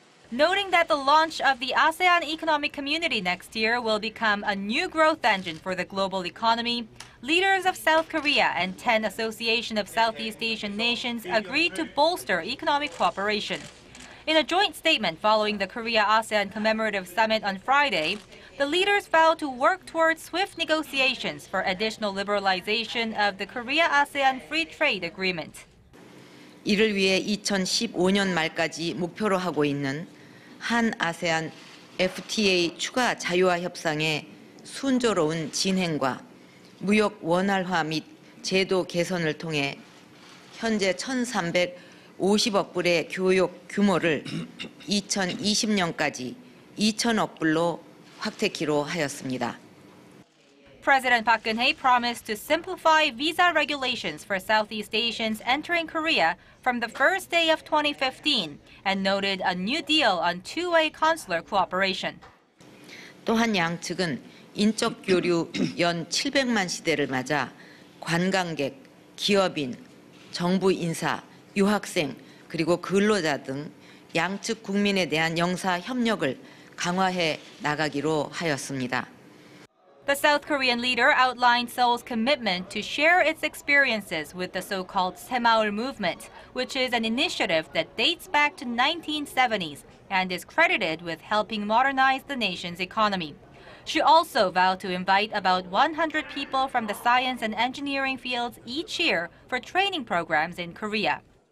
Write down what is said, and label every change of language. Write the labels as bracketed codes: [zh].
[en] Noting that the launch of the ASEAN Economic Community next year will become a new growth engine for the global economy, leaders of South Korea and 10 Association of Southeast Asian Nations agreed to bolster economic cooperation. In a joint statement following the Korea-ASEAN Commemorative Summit on Friday, the leaders vowed to work towards swift negotiations for additional liberalization of the Korea-ASEAN Free Trade Agreement. [ko] 이를 위해 2015년 말까지 목표로 하고 있는 한 아세안 FTA 추가 자유화 협상의 순조로운 진행과 무역 원활화 및 제도 개선을 통해 현재 1,350억 불의 교역 규모를 2020년까지 2,000억 불로 확대키로 하였습니다. [en] President Park Geun-hye promised to simplify visa regulations for Southeast Asians entering Korea from the first day of 2015 and noted a new deal on two-way consular cooperation. [ko] 또한 양측은 인적 교류 연 700만 시대를 맞아 관광객, 기업인, 정부 인사, 유학생 그리고 근로자 등 양측 국민에 대한 영사 협력을 강화해 나가기로 하였습니다. [en] The South Korean leader outlined Seoul's commitment to share its experiences with the so-called Semaul movement, which is an initiative that dates back to the 1970s and is credited with helping modernize the nation's economy. She also vowed to invite about 100 people from the science and engineering fields each year for training programs in Korea.